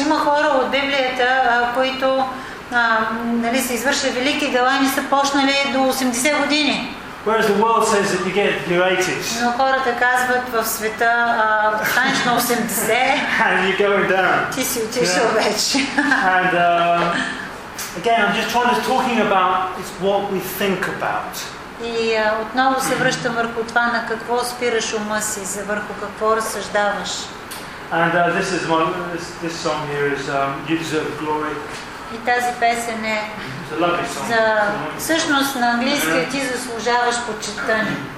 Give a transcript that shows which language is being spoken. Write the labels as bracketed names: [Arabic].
[Bulgarian] Има хора от Библията, които нали са извършили велики дела и не са почнали до 80 години. [English] Whereas the world says that you get in your 80s. [Bulgarian] Но хората казват в света станеш на 80. [English] And you're going down. [Bulgarian] Ти си отишъл вече. [English] And again, I'm just trying to talking about it's what we think about. [Bulgarian] И отново се връщам върху това на какво спираш ума си, за върху какво разсъждаваш. [English] And this is one. This song here is "You Deserve Glory." [Bulgarian] И тази песен е за всъщност на английски ти заслужаваш почитане.